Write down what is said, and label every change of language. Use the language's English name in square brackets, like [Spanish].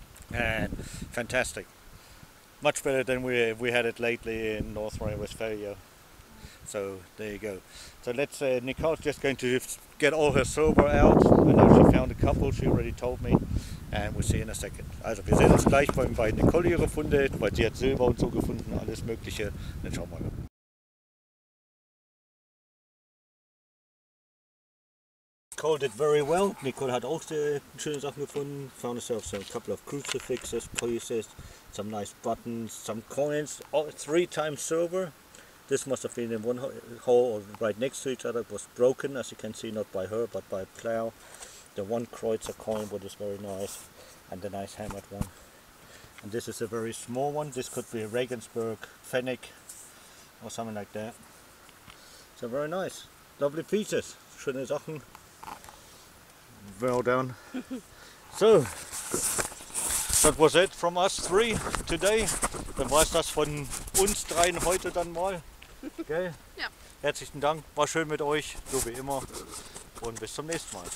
[English] And fantastic, much better than we had it lately in North Rhine-Westphalia. So there you go. So let's say Nicole's just going to get all her silver out. I know she found a couple, she already told me, and we'll see in a second. [German] Also wir sehen uns gleich, weil bei Nicole ihre Funde, weil sie hat Silber und so gefunden, alles mögliche. Dann schauen wir mal. [English] Nicole did very well. Nicole had also [German] schöne Sachen gefunden. [English] Found herself some couple of crucifixes, pieces, some nice buttons, some coins. All, 3 times silver. This must have been in one hole or right next to each other. It was broken, as you can see, not by her but by a plow. The 1 Kreuzer coin, which is very nice, and the nice hammered one. And this is a very small one. This could be a Regensburg Pfennig or something like that. So very nice, lovely pieces, [German] schöne Sachen. [English] Well done. So, that was it from us three today. [German] Dann war es das von uns dreien heute dann mal. Okay. Ja. Herzlichen Dank. War schön mit euch, so wie immer. Und bis zum nächsten Mal.